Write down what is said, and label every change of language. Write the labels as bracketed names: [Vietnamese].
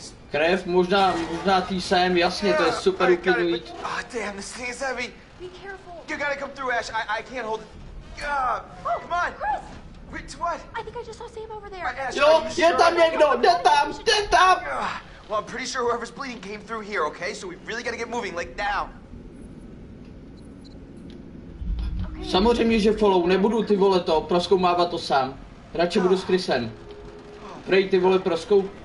[Czech] Krev, možná tý Sam, jasně, to je super uklidnit. [English] Oh, damn, this thing is heavy. Be careful. You gotta come through, Ash. I can't hold it. Come on. Chris. Wait, what? I think I just saw Sam over there. [Czech] Jo, je tam někdo, jde tam. [English] Well, I'm pretty sure whoever's bleeding came through here, okay? So we really gotta get moving, like now. [Czech] Samozřejmě, že follow, nebudu ty vole to, prozkoumávat to sám. Radši budu s Chrisem. Prej, ty vole, proskou.